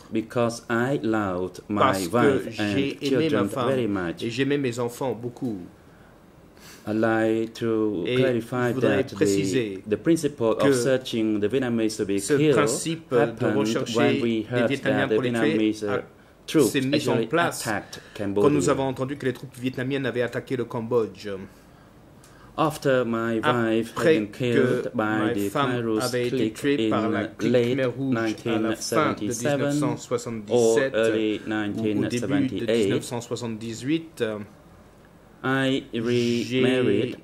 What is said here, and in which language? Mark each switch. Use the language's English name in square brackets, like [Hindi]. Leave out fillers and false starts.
[English] because I loved my wife and children very much. [French] Et j'aimais mes enfants beaucoup. [English] I'd like to [French] et [English] clarify that the principle of searching the Vietnamese to be killed happened when we heard that the Vietnamese troops actually attacked Cambodia. [French] Quand nous avons entendu que les troupes vietnamiennes avaient attaqué le Cambodge. [English] After my wife [French] après [English] had been killed by the Khmer Rouge clique in late 1977 or early 1978, I remarried.